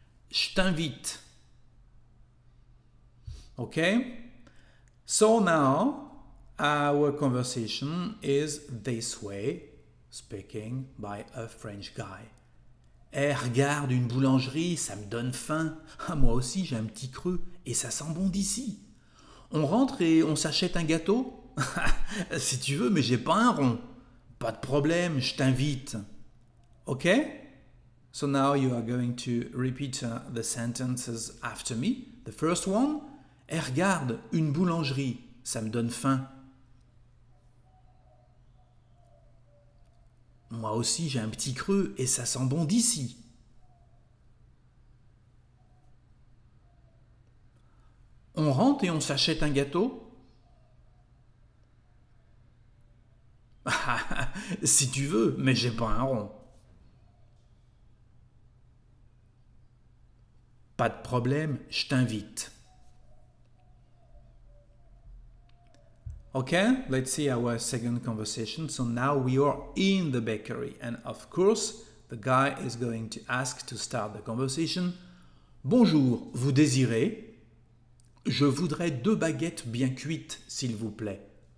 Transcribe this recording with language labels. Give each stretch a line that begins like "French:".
French: Je t'invite.
English: Okay, so now our conversation is this way, speaking by a French guy.
French: Eh, regarde une boulangerie, ça me donne faim. Ah, moi aussi, j'ai un petit creux et ça sent bon d'ici. On rentre et on s'achète un gâteau? Si tu veux, mais j'ai pas un rond. Pas de problème, je t'invite.
English: Okay, so now you are going to repeat the sentences after me. The first one.
French: Eh, regarde, une boulangerie, ça me donne faim. Moi aussi, j'ai un petit creux et ça sent bon d'ici. rentre et on s'achète un gâteau? Si tu veux, mais j'ai pas un rond. Pas de problème, je t'invite.
English: Okay, let's see our second conversation. So now we are in the bakery, and of course, the guy is going to ask to start the conversation.
French: Bonjour, vous désirez? Je voudrais deux baguettes bien cuites, s'il vous plaît.